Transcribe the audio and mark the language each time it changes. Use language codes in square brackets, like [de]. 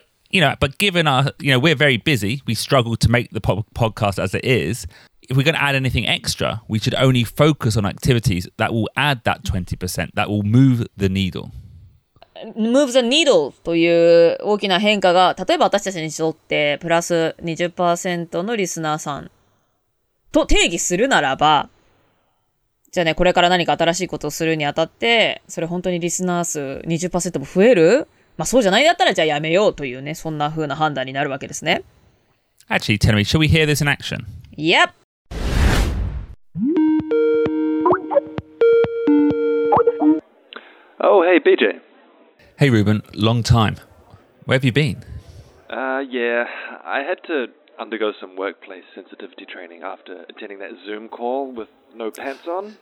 [en] You know, but given our, you know, we're very busy, we struggle to make the podcast as it is. If we're going to add anything extra, we should only focus on activities that will add that 20%, that will move the needle. Move the needle [ja] という大きな変化が、例えば私たちにとってプラス 20% のリスナーさんと定義するならば、じゃあね、これから何か新しいことをするにあたって、それ本当にリスナー数 20% も増える？まあそうじゃないだったらじゃあやめようというね、そんな風な判断になるわけですね。 [en] Actually, tell me, shall we hear this in action? Yep! Oh, hey, BJ. Hey, Ruben, long time. Where have you been? Yeah, I had to undergo some workplace sensitivity training after attending that Zoom call with no pants on.